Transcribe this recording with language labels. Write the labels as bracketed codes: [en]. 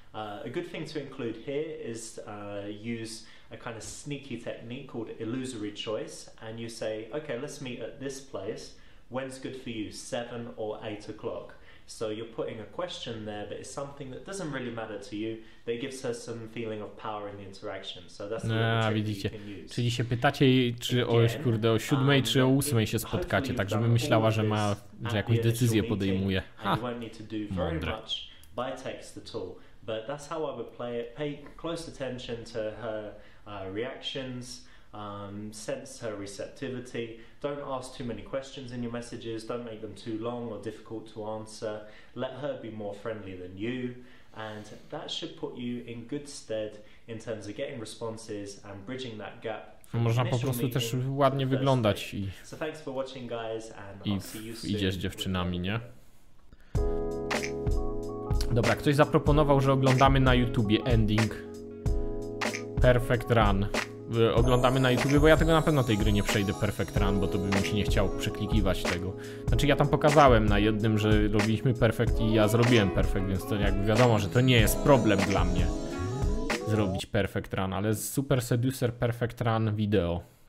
[en] A good thing to include here is use a kind of sneaky technique called illusory choice, and you say, okay, let's meet at this place, when's good for you, 7 or 8 o'clock? So you're putting a question there, but it's something that doesn't really matter to you, but it gives her some feeling of power in the interaction. So that's the [pl] Widzicie. Czyli się pytacie jej, czy o 7 czy o 8 się spotkacie, tak żeby myślała, że ma, że jakąś decyzję podejmuje. [en] You won't need to do very much by text at all. But that's how I would play it. Pay close attention to her reactions. Sense her receptivity. Don't ask too many questions in your messages. Don't make them too long or difficult to answer. Let her be more friendly than you, and that should put you in good stead in terms of getting responses and bridging that gap. [pl] Można po prostu też ładnie wyglądać i. [en] So thanks for watching, guys, and I'll see you soon. [pl] Idziesz z dziewczynami, nie? Dobra, ktoś zaproponował, że oglądamy na YouTubie ending Perfect Run. Oglądamy na YouTubie, bo ja tego na pewno tej gry nie przejdę Perfect Run, bo to bym się nie chciał przeklikiwać tego. Znaczy ja tam pokazałem na jednym, że robiliśmy Perfect i ja zrobiłem Perfect, więc to jakby wiadomo, że to nie jest problem dla mnie zrobić Perfect Run, ale Super Seducer Perfect Run wideo.